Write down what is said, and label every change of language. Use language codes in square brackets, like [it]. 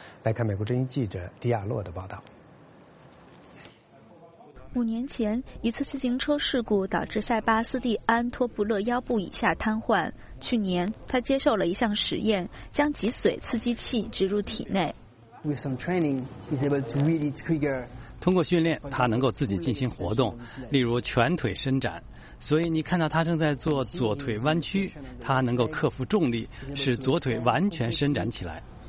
[zh] 来看美国之音记者迪亚洛的报道。五年前，一次自行车事故导致塞巴斯蒂安·托布勒腰部以下瘫痪。去年，他接受了一项实验，将脊髓刺激器植入体内。 [en] With some training, he's able to really trigger. [zh] 通过训练，他能够自己进行活动，例如全腿伸展。所以你看到他正在做左腿弯曲，他能够克服重力，使左腿完全伸展起来。